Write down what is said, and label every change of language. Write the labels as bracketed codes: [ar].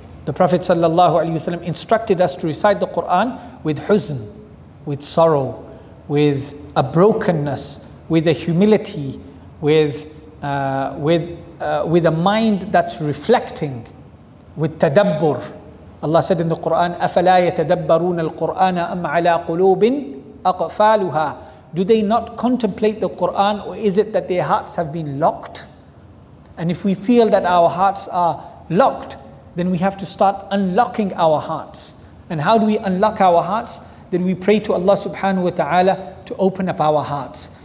[en] The Prophet sallallahu alaihi wasallam instructed us to recite the Quran with huzn, with sorrow, with a brokenness, with a humility, with a mind that's reflecting, with tadabbur. [ar] Allah said in the Quran, أَفَلَا يَتَدَبَّرُونَ الْقُرْآنَ أَمْ عَلَىٰ قُلُوبٍ أَقْفَالُهَا. [en] Do they not contemplate the Quran, or is it that their hearts have been locked? And if we feel that our hearts are locked, then we have to start unlocking our hearts. And how do we unlock our hearts? Then we pray to Allah subhanahu wa ta'ala to open up our hearts.